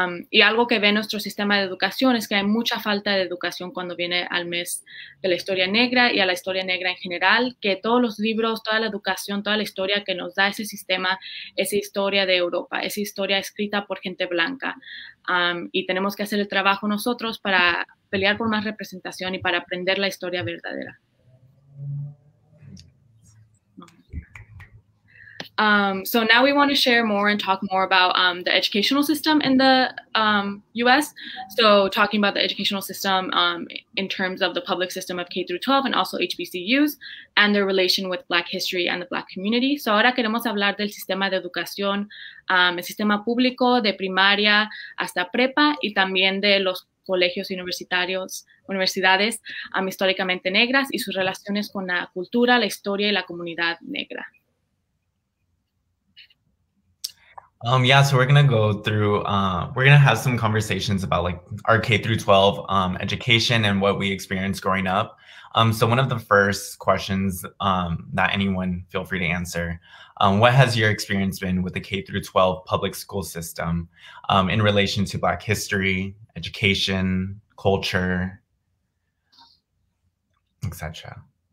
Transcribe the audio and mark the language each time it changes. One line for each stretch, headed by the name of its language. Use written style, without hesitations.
Spanish: Y algo que ve nuestro sistema de educación es que hay mucha falta de educación cuando viene al mes de la historia negra y a la historia negra en general, que todos los libros, toda la educación, toda la historia que nos da ese sistema, esa historia de Europa, esa historia escrita por gente blanca. Y tenemos que hacer el trabajo nosotros para pelear por más representación y para aprender la historia verdadera.
English: So now we want to share more and talk more about the educational system in the U.S. So talking about the educational system in terms of the public system of K-12 and also HBCUs and their relation with Black history and the Black community.
Spanish: So ahora queremos hablar del sistema de educación, el sistema público de primaria hasta prepa y también de los colegios universitarios, universidades históricamente negras y sus relaciones con la cultura, la historia y la comunidad negra.
English: Yeah, so we're going to go through, we're going to have some conversations about like our K-12 education and what we experienced growing up. So one of the first questions that anyone feel free to answer, what has your experience been with the K-12 public school system in relation to Black history, education, culture, et cetera?